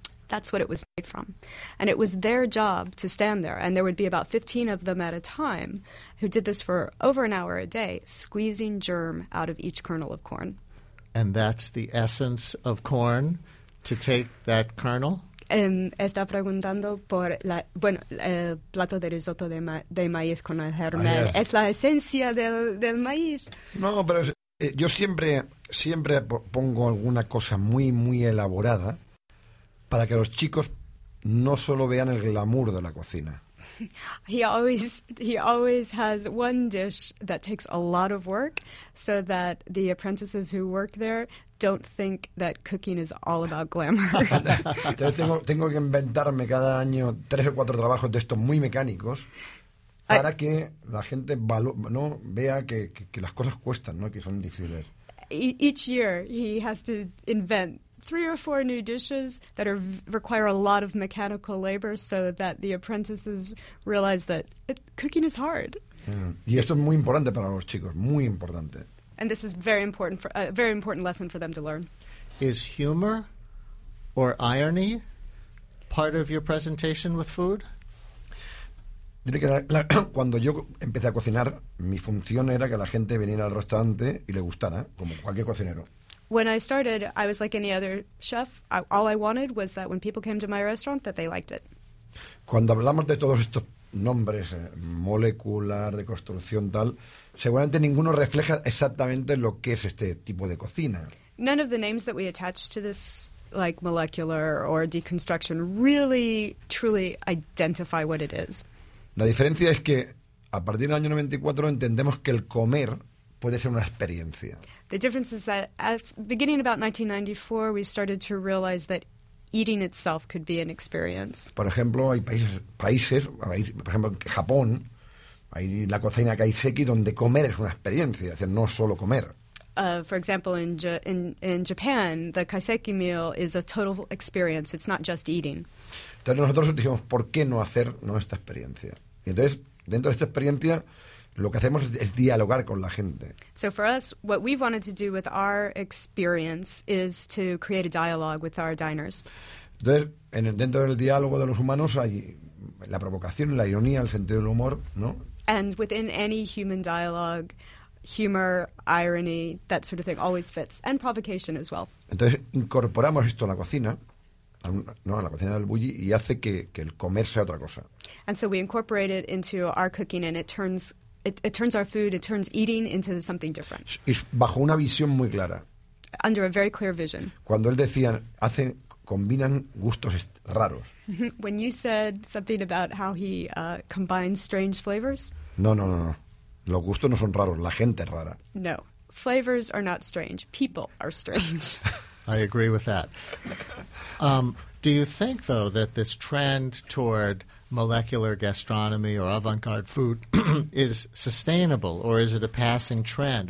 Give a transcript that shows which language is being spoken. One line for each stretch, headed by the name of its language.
English: That's what it was made from. And it was their job to stand there. And there would be about 15 of them at a time who did this for over an hour a day, squeezing germ out of each kernel of corn. And that's the essence of corn, to take that kernel?
Spanish: Está preguntando por la, bueno, el plato de risotto de maíz con el germen.
English: Ah, yeah.
Spanish: Es la esencia del maíz. No, pero yo siempre pongo alguna cosa muy, muy elaborada para que los chicos no solo vean el glamour de la cocina.
English: He always has one dish that takes a lot of work so that the apprentices who work there don't think that cooking is all about glamour.
Spanish: Entonces tengo que inventarme cada año 3 o 4 trabajos de estos muy mecánicos para que la gente vea que las cosas cuestan, ¿no? Que son difíciles.
English: Each year he has to invent 3 or 4 new dishes that require a lot of mechanical labor so that the apprentices realize that cooking is hard.
Spanish: Y esto es muy importante para los chicos, muy importante.
English: And this is very important for a very important lesson for them to learn. Is humor or irony part of your presentation with food?
Spanish: Dile que cuando yo empecé a cocinar, mi función era que la gente viniera al restaurante y le gustara, como cualquier cocinero.
English: When I started, I was like any other chef. All I wanted was that when people came to my restaurant, that they liked it.
Spanish: Cuando hablamos de todos estos nombres, molecular, de construcción, tal, seguramente ninguno refleja exactamente lo que es este tipo de cocina.
English: None of the names that we attach to this, like molecular or deconstruction, really, truly identify what it is.
Spanish: La diferencia es que a partir del año 94 entendemos que el comer puede ser una experiencia.
English: The difference is that beginning about 1994, we started to realize that eating itself could be an experience.
Spanish: Por ejemplo, hay países, por ejemplo, Japón, hay la cocina kaiseki donde comer es una experiencia, es decir, no solo comer.
English: For example, in Japan, the kaiseki meal is a total experience. It's not just eating.
Spanish: Entonces nosotros dijimos, ¿por qué no hacer esta experiencia? Y entonces, dentro de esta experiencia, lo que hacemos es dialogar con la gente.
English: So for us, what we wanted to do with our experience is to create a dialogue with our diners.
Spanish: Entonces, dentro del diálogo de los humanos hay la provocación, la ironía, el sentido del humor, ¿no?
English: And within any human dialogue, humor, irony, that sort of thing always fits, and provocation as well.
Spanish: Entonces incorporamos esto a la cocina. No, en la cocina del Bulli, y hace que el comer sea otra cosa.
English: And so we incorporate it into our cooking, and it turns our food, it turns eating into something different.
Spanish: Es bajo una visión muy clara.
English: Under a very clear vision.
Spanish: Cuando él decía, combinan gustos raros.
English: When you said something about how he combines strange flavors.
Spanish: No. Los gustos no son raros, la gente es rara.
English: No, flavors are not strange, people are strange. I agree with that. Do you think, though, that this trend toward molecular gastronomy or avant-garde food is sustainable, or is it a passing trend?